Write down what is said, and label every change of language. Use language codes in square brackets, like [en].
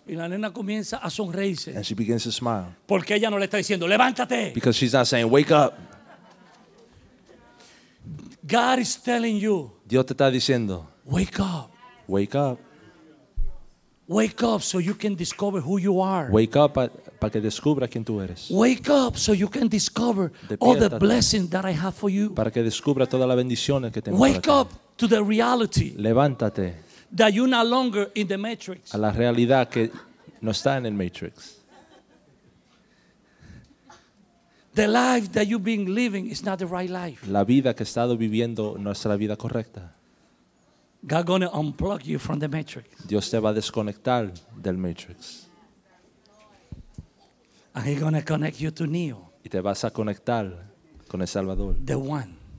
[es] Y la nena comienza a sonreírse. [en] And she begins to smile. [es] Porque ella no le está diciendo, levántate. [en] Because she's not saying, wake up. God is telling you. [es] Dios te está diciendo. [en] Wake up. Wake up. Wake up so you can discover who you are. Wake up [es] para que descubra quién tú eres. [en] Wake up so you can discover all the blessings that I have for you. [es] Para que descubra todas las bendiciones que tengo. [en] Wake up to the reality. [es] Levántate. [en] That you're no longer in the matrix. [es] A la realidad que no está en el matrix. [en] The life that you've been living is not the right life. [es] La vida que he estado viviendo no es la vida correcta. [en] God gonna unplug you from the matrix. [es] Dios te va a desconectar del matrix. [en] And he's gonna connect you to Neo. [es] Y te vas a conectar con el Salvador. [en] The one.